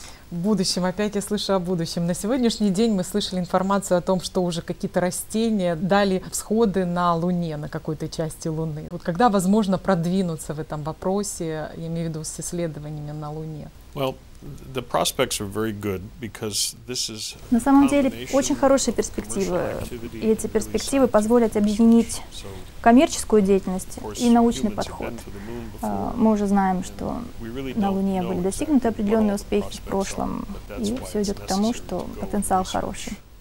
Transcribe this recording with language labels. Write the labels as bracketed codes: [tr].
[ru] В будущем, опять я слышу о будущем. На сегодняшний день мы слышали информацию о том, что уже какие-то растения дали всходы на Луне, на какой-то части Луны. Вот когда возможно продвинуться в этом вопросе, я имею в виду с исследованиями на Луне? [en] Well, the prospects are very good because this is. [ru] На самом деле очень хорошие перспективы, и эти перспективы позволят объединить коммерческую деятельность и научный подход. Мы уже знаем, что на Луне были достигнуты определенные успехи в прошлом, и все идет к тому, что потенциал хороший.